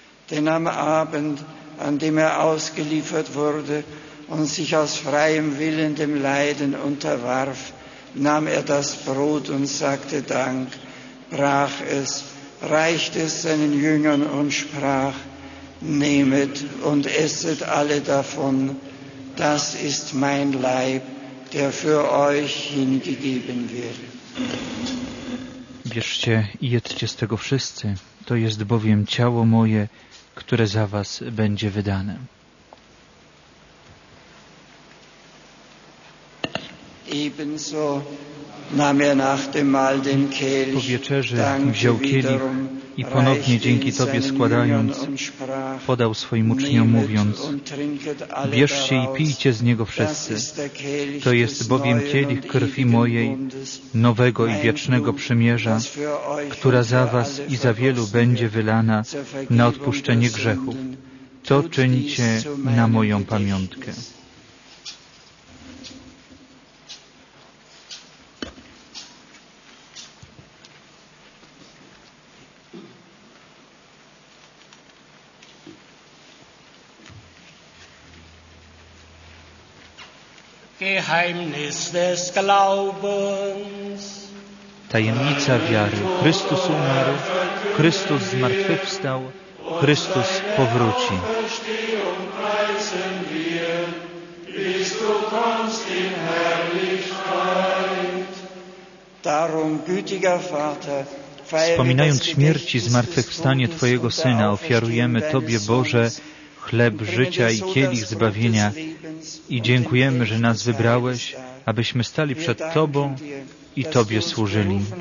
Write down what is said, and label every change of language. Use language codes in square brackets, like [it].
[de] Denn am Abend, an dem er ausgeliefert wurde und sich aus freiem Willen dem Leiden unterwarf, nahm er das Brot und sagte Dank, brach es, reichte es seinen Jüngern und sprach, nehmet und esset alle davon, das ist mein Leib, der für euch hingegeben wird. [pl] Bierzcie i jedzcie z tego wszyscy, to jest bowiem ciało moje, które za was będzie wydane. [de] Ebenso nahm nach dem Mahl den Kelch. [pl] Po wieczerzy wziął kielich i ponownie dzięki Tobie składając, podał swoim uczniom mówiąc: bierzcie i pijcie z niego wszyscy. To jest bowiem kielich krwi mojej, nowego i wiecznego przymierza, która za was i za wielu będzie wylana na odpuszczenie grzechów. To czyńcie na moją pamiątkę. [de] Geheimnis des Glaubens. [pl] Tajemnica wiary. Chrystus umarł, Chrystus zmartwychwstał, Chrystus powróci. [de] Auferstehung preisen wir, bis du kommst in Herrlichkeit. Darum, gütiger Vater, [pl] wspominając śmierć i zmartwychwstanie Twojego Syna, ofiarujemy Tobie, Boże, chleb życia i kielich zbawienia i dziękujemy, że nas wybrałeś, abyśmy stali przed Tobą i Tobie służyli.